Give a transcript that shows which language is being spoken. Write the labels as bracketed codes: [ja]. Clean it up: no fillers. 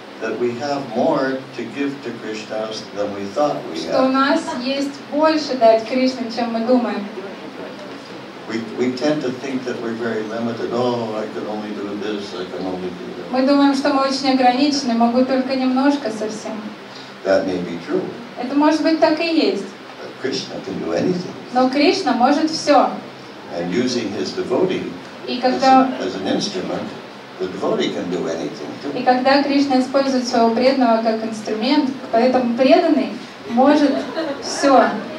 [en] That we have more to give to Krishna than we thought we had. [ru] Что у нас есть больше дать Кришне, чем мы думаем. [en] We tend to think that we're very limited. Oh, I can only do this, I can only do that. [ru] Мы думаем, что мы очень ограничены, могу только немножко совсем. [en] That may be true. [ru] Это может быть так и есть. [en] But Krishna can do anything. [ru] Но Кришна может все. [en] And using his devotee as an instrument, the devotee can do anything too. [ru] И когда Кришна использует своего преданного как инструмент, поэтому преданный может все.